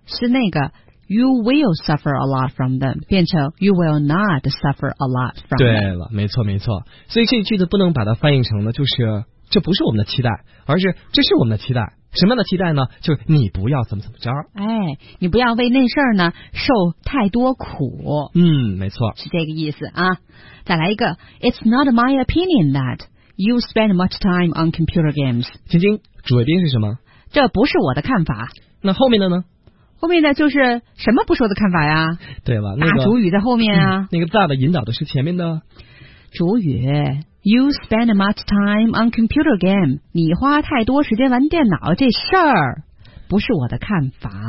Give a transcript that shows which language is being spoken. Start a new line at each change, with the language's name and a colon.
Chinese: 是那个
English: You will suffer a lot from them，
Chinese: 变成
English: You will not suffer a lot from them。
Chinese: 对了，没错没错。所以这句子不能把它翻译成呢，就是这不是我们的期待，而是这是我们的期待。什么样的期待呢？就是你不要怎么怎么着。哎，你不要为那事儿呢受太多苦。没错，是这个意思啊。再来一个
English: ，It's not my opinion that you spend much time on computer games。
Chinese: 晶晶，主谓宾是什么？这不是我的看法。那后面的呢？后面呢就是什么不说的看法呀？对了，那个主语在后面啊。那个大的引导的是前面的主语。
English: You spend much time on computer game，
Chinese: 你花太多时间玩电脑，这事儿不是我的看法。